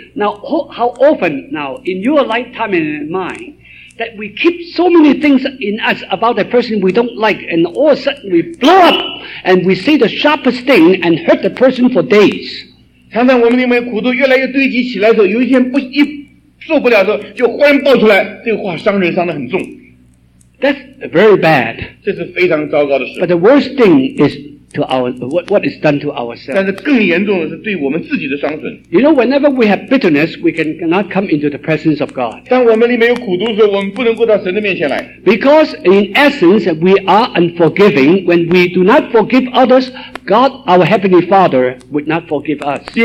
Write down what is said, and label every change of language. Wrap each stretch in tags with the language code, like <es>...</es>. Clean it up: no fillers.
<en>Now how often now in your lifetime and mine that we keep so many things in us about a person we don't like, and all of a sudden we blow up, and we say the sharpest thing, and hurt the person for days.</en> <zh>常常我们因为苦毒越来越堆积起来的时候,有一天不受不了的时候,就忽然爆出来,这个话伤人伤得很重。</zh> <en>That's very bad.</en> <zh>这是非常糟糕的事。</zh> <en>But the worst thing is to our, what is done to ourselves.</en> <zh>但是更严重的是对我们自己的伤损。</zh> <en>You know, whenever we have bitterness, we cannot come into the presence of God.</en> <zh>当我们里面有苦毒的时候,我们不能够到神的面前来。</zh> <en>Because in essence, we are unforgiving. When we do not forgive others, God, our Heavenly Father, would not forgive us.</en>